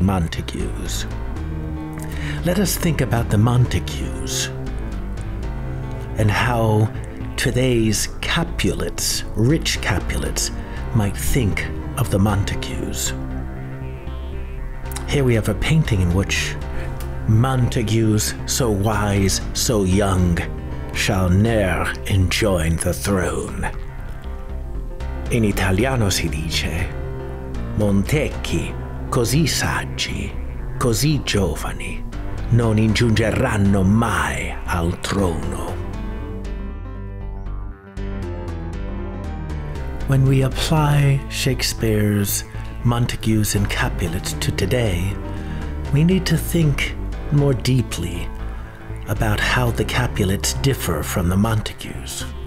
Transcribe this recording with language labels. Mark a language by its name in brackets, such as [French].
[English] Montagues. Let us think about the Montagues and how today's Capulets, rich Capulets, might think of the Montagues. Here we have a painting in which Montagues, so wise, so young, shall ne'er enjoin the throne. [Italian] In Italiano si dice, Montecchi, così saggi, così giovani, non ingiungeranno mai al trono. [English] When we apply Shakespeare's Montagues and Capulets to today, we need to think more deeply about how the Capulets differ from the Montagues.